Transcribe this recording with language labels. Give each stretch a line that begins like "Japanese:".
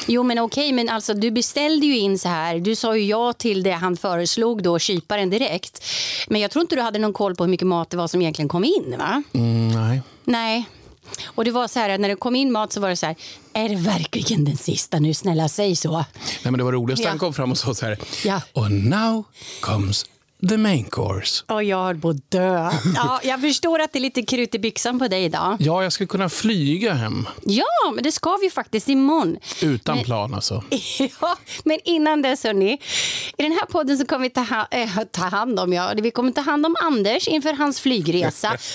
Swedish: Jo men okej, men alltså, du beställde ju in så här. Du sa ju ja till det han föreslog då, kyparen direkt. Men jag tror inte du hade någon koll på hur mycket mat det var som egentligen kom in, va? Nej. Nej. Och det var så här, när det kom in mat så var det så här, är det verkligen den sista nu, snälla säg så. Nej men det var roligt, han kom fram och sa så här,
English: Yeah. And now comes the main course.
Swedish: Och jag är på dö. Ja, jag förstår att det är lite krut i byxan på dig idag. Ja, jag ska kunna flyga hem. Ja, men det ska vi ju faktiskt imorgon. Utan plan alltså. Ja, men innan dess hörni, i den här podden så kommer vi ta hand om, vi kommer ta hand om Anders inför hans flygresa.